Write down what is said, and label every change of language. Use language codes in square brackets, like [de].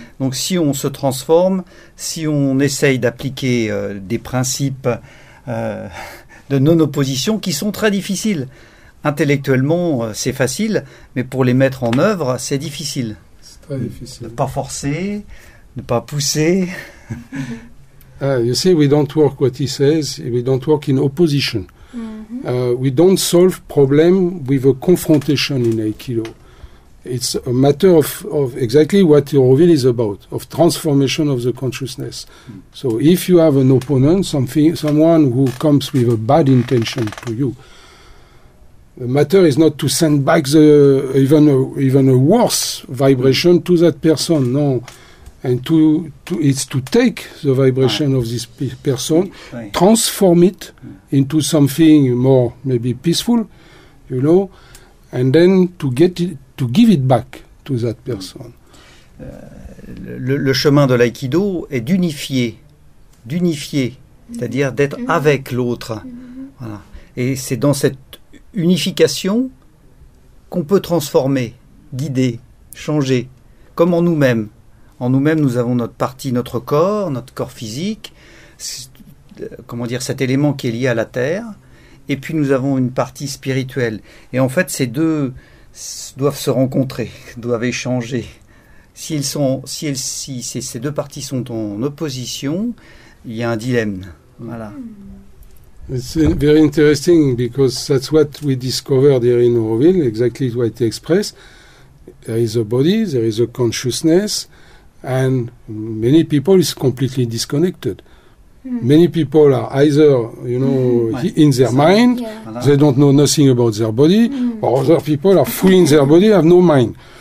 [fr] Donc si on se transforme, si on essaye d'appliquer des principes de non-opposition qui sont très difficiles, intellectuellement, c'est facile, mais pour les mettre en œuvre, c'est difficile. C'est très difficile. Ne pas forcer, ne pas pousser. [en] You see, we don't work what he says. We don't work in opposition. We don't solve problem with a confrontation in Aikido. It's a matter of exactly what Auroville is about, of transformation of the consciousness. So if you have an opponent, someone who comes with a bad intention to you, the matter is not to send back the even a worse vibration to that person. No, and it's to take the vibration of this person, transform it into something more maybe peaceful, you know, and then to give it back to that person. [fr] Le chemin de l'aïkido est d'unifier, c'est-à-dire d'être avec l'autre. Voilà. Et c'est dans cette unification qu'on peut transformer, guider, changer, comme en nous-mêmes. En nous-mêmes, nous avons notre partie, notre corps physique, cet élément qui est lié à la terre, et puis nous avons une partie spirituelle. Et en fait, ces deux doivent se rencontrer, doivent échanger. Si ces deux parties sont en opposition, il y a un dilemme. Voilà. [en] It's very interesting because that's what we discovered here in Auroville, exactly what he expressed. There is a body, there is a consciousness, and many people is completely disconnected. Many people are either, in their mind, they don't know nothing about their body, or other people are fully in their body, have no mind.